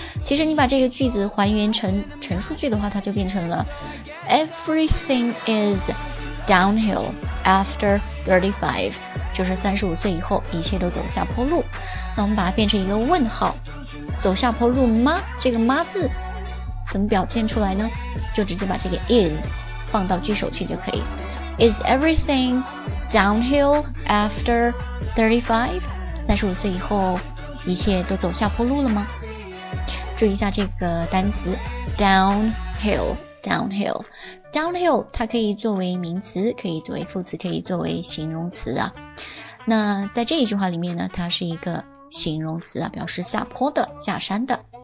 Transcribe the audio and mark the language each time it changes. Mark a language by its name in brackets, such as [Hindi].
[Chinese] 其实你把这个句子还原成陈述句的话，它就变成了 [English] everything is downhill after 35， [Chinese] 就是35岁以后一切都走下坡路。那我们把它变成一个问号，走下坡路吗？这个吗字怎么表现出来呢？就直接把这个 is 放到句首去就可以。 [English] Is everything downhill after 35？ [Chinese] 35岁以后一切都走下坡路了吗？注意一下这个单词 downhill 它可以作为名词，可以作为副词，可以作为形容词啊。那在这一句话里面呢，它是一个形容词啊，表示下坡的，下山的。